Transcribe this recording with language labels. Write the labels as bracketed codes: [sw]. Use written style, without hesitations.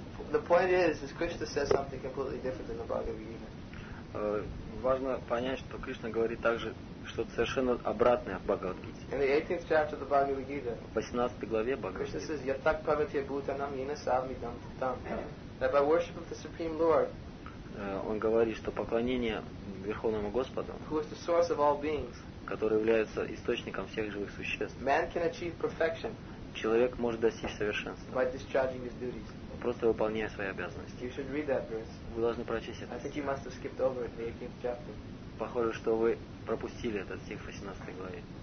[en] The point is Krishna says something completely different than the Bhagavad Gita. [ru] Важно понять, что Кришна говорит также что-то совершенно обратное от Бхагавад Гиты. [en] In the 18th chapter of the Bhagavad Gita. [ru] В 18 главе Бхагавад [en] Гиты. Krishna says, [sa] "Yatak pavitya bhutanam yena savmidam tam." [en] That by worship of the Supreme Lord. [ru] Он говорит, что поклонение Верховному Господу, [en] who is the source of all beings, [ru] который является источником всех живых существ, [en] man can achieve perfection, [ru] человек может достичь совершенства, [en] by discharging his duties, [ru] просто выполняя свои обязанности. [en] You should read that verse. [ru] Вы должны прочесть это. [en] I think you must have skipped over it in the 18th chapter. [ru] Похоже, что вы пропустили этот стих в 18 главе.